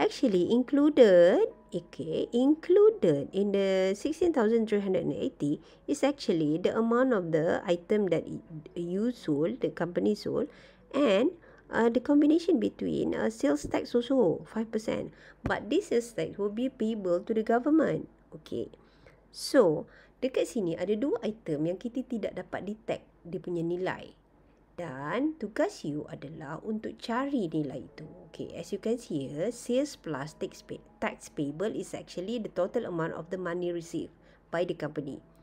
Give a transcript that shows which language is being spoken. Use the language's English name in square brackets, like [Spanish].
[English] Actually, included, okay, included in the $16,380 is actually the amount of the item that you sold, the company sold, and the combination between sales tax also, 5%. But this sales tax will be payable to the government. [Malay] Okay, so dekat sini ada dua item yang kita tidak dapat detect dia punya nilai. Dan tugas you adalah untuk cari nilai itu. [English] Okay, as you can see here, sales plus tax payable is actually the total amount of the money received by the company.